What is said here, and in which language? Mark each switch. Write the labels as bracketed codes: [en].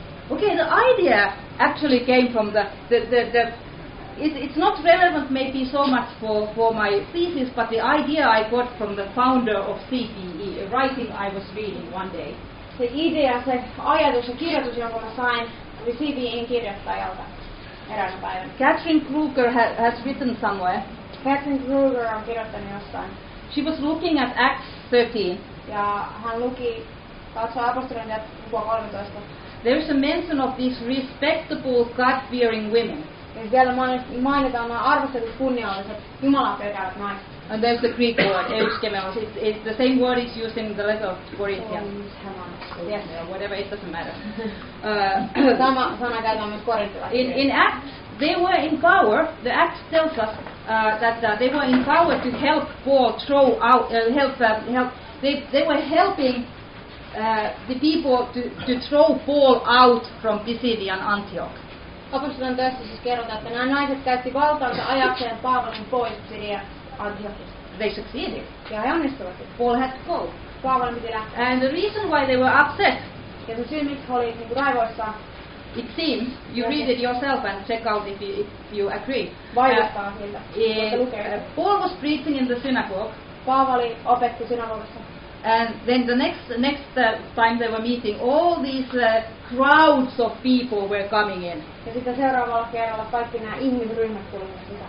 [en] Okay, the idea actually came from the it's not relevant maybe so much for my thesis, but the idea I got from the founder of CPE, a writing I was reading one day. The idea, [fi] se ajatus ja kirjoitus, jonka mä sain, oli CPE:n kirjoittajalta eräänä päivänä. [en] Catherine Kruger has written somewhere. [fi] Catherine Kruger on kirjoittanut jossain. [en] She was looking at Acts 13. [fi] Ja hän luki, katsoi apostolien lukua 13. [en] There is a mention of these respectable, God-fearing women. [fi] Ja siellä mainitaan nämä arvostetut, kunnialliset, Jumalaa pelkäävät naiset. [en] And there's the Greek word, euskemelos. It's the same word is used in the letter of Corinthians. Whatever, it doesn't matter. [fi] sama käytetään myös korintilaisille. [en] In Acts, they were in power. The Acts tells us that they were in power to help Paul throw out, help. They were helping the people to throw Paul out from Pisidian Antioch. [fi] Apostolien töissä siis kerrotaan, että nämä naiset käytti valtaansa ajakseen Paavalin pois Pisidian Antiochista. [en] They succeeded. [fi] Ja he onnistuivat. [en] Paul had to go. [fi] Paavalin piti lähteä. [en] And the reason why they were upset. [fi] Ja se syy, miksi he olivat niin raivoissaan. [en] It seems, you read it yourself and check out if you agree. Paul was preaching in the synagogue. [fi] Paavali opetti synagogassa. [en] And then the next time they were meeting, all these crowds of people were coming in. [fi] Ja sitten seuraavalla kerralla kaikki nämä ihmisryhmät tulivat sitä.